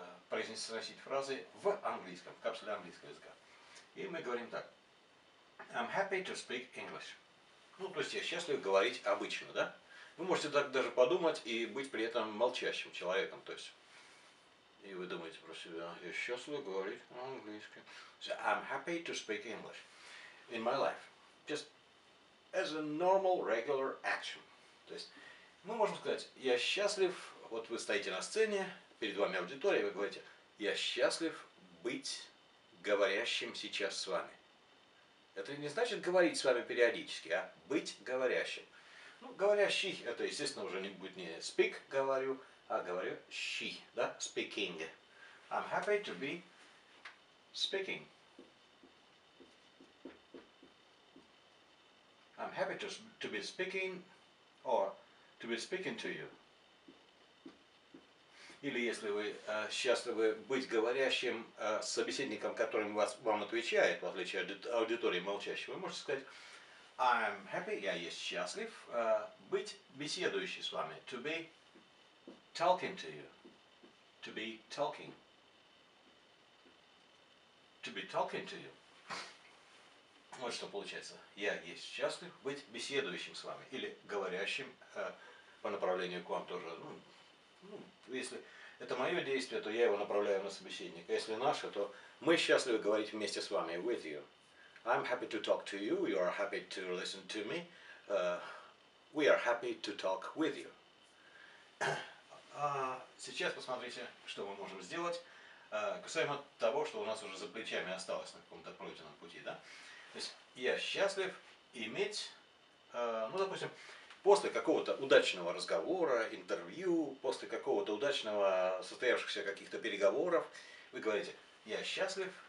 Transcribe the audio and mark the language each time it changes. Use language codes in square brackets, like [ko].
[ru] Произносить фразы в английском, в капсуле английского языка. И мы говорим так. [en] I'm happy to speak English. [ru] Ну, то есть я счастлив говорить обычно, да? Вы можете так даже подумать и быть при этом молчащим человеком, то есть. И вы думаете про себя. Я счастлив говорить английски. [en] So, I'm happy to speak English in my life. Just as a normal, regular action. [ru] То есть мы можем сказать, я счастлив, вот вы стоите на сцене, перед вами аудитория, вы говорите, я счастлив быть говорящим сейчас с вами. Это не значит говорить с вами периодически, а быть говорящим. Ну, говорящий, это, естественно, уже не будет не speak, говорю, а говорю she, да, speaking. [en] I'm happy to be speaking. I'm happy to be speaking, or to be speaking to you. [ru] Или если вы счастливы быть говорящим с собеседником, которым вам отвечает, в отличие от аудитории молчащей, вы можете сказать [en] I'm happy, [ru] я есть счастлив, быть беседующим с вами. [en] To be talking to you. To be talking. To be talking to you. [ru] Вот что получается. Я есть счастлив быть беседующим с вами. Или говорящим по направлению к вам тоже. Ну, если это мое действие, то я его направляю на собеседника. Если наше, то мы счастливы говорить вместе с вами, [en] with you. I'm happy to talk to you, you are happy to listen to me. We are happy to talk with you. [ru] Сейчас посмотрите, что мы можем сделать, касаемо того, что у нас уже за плечами осталось на каком-то пройденном пути. Да? То есть я счастлив иметь, ну, допустим, после какого-то удачного разговора, интервью, после какого-то удачного состоявшихся каких-то переговоров, вы говорите, я счастлив